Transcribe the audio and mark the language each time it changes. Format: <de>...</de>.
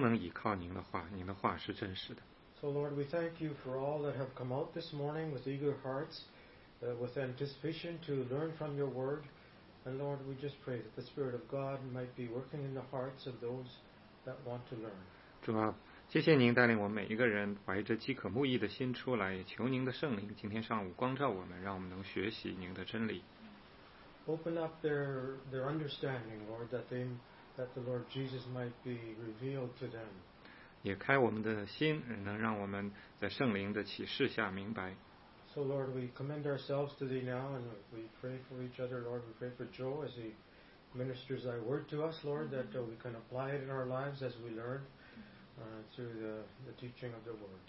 <zh>我们无论什么年纪，五岁、五十岁还是八十岁，都能倚靠您的话，您的话是真实的。</zh> <en>So Lord, we thank you for all that have come out this morning with eager hearts, with anticipation to learn from your word. And Lord, we just pray that the Spirit of God might be working in the hearts of those that want to learn.</en> <zh>主啊，谢谢您带领我们每一个人怀着饥渴慕义的心出来，求您的圣灵今天上午光照我们，让我们能学习您的真理。</zh> <en>Open up their understanding, Lord, that the Lord Jesus might be revealed to them.</en> <zh>也开我们的心，能让我们在圣灵的启示下明白。</zh> <en>So Lord, we commend ourselves to Thee now, and we pray for each other, Lord. We pray for Joe as he ministers Thy word to us, Lord, that we can apply it in our lives as we learn through the teaching of the word.</en>